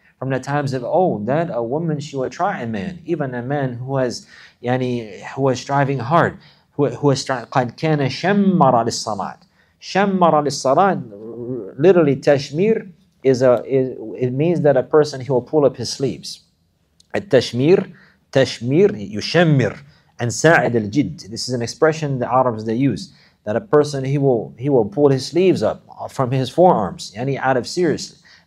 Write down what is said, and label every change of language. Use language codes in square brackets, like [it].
[en] From the times of old, that a woman, she would try a man, even a man who has, yani, who is striving hard, who is trying, [ar] قَدْ كَانَ شَمَّرَ لِلصَّلَاةِ. شَمَّرَ لِلصَّلَاةِ, [en] literally tashmir, it means that a person, he will pull up his sleeves. [ar] التشمير, تشمير, يشمر, and ساعد الجد. [en] This is an expression the Arabs, they use, that a person, he will pull his sleeves up from his forearms, yani out of seriousness.